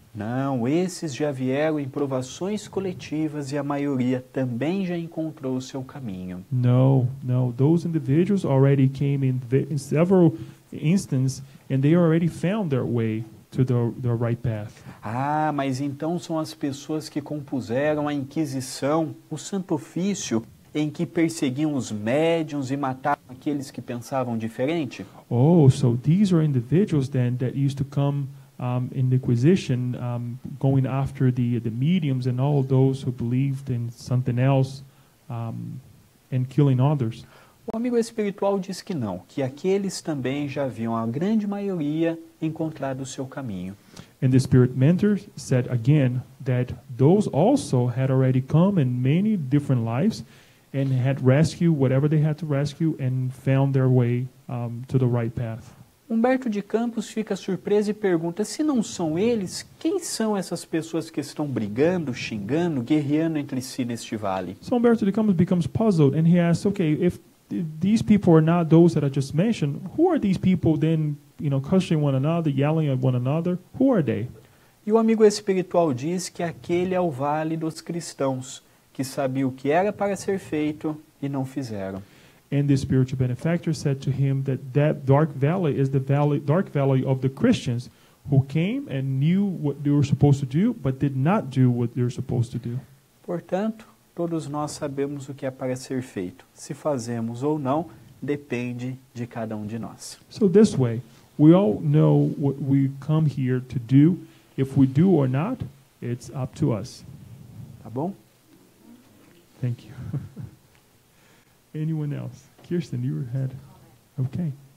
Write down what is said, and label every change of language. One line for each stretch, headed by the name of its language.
Portuguese: Não, esses já vieram em provações coletivas e a maioria também já encontrou o seu caminho.
English: No, those individuals already came in several instances and they already found their way. To the right path.
Portuguese: Ah, mas então são as pessoas que compuseram a Inquisição, o Santo Ofício, em que perseguiam os médiuns e matavam aqueles que pensavam diferente?
English: Oh, so these are individuals then that used to come in the Inquisition, going after the mediums and all those who believed in something else, and killing others.
Portuguese: O amigo espiritual diz que não, que aqueles também já haviam, a grande maioria, encontrado o seu caminho.
English: And the spirit mentor said again that those also had already come in many different lives and had rescued whatever they had to rescue and found their way to the right path.
Portuguese: Humberto de Campos fica surpreso e pergunta: se não são eles, quem são essas pessoas que estão brigando, xingando, guerreando entre si neste vale?
English: So Humberto de Campos becomes puzzled and he asks, okay, if these people are not those that I just mentioned, who are these people then, you know, cursing one another, yelling at one another, who are they?
Portuguese: E o amigo espiritual diz que aquele é o vale dos cristãos, que sabia o que era para ser feito e não fizeram.
English: And the spiritual benefactor said to him that that dark valley is the valley, dark valley of the Christians who came and knew what they were supposed to do, but did not do what they were supposed to do.
Portuguese: Portanto, todos nós sabemos o que é para ser feito. Se fazemos ou não, depende de cada de nós.
English: So this way, we all know what we come here to do. If we do or not, it's up to us.
Portuguese: Tá bom?
English: Thank you. Anyone else? Kirsten, you had... Okay.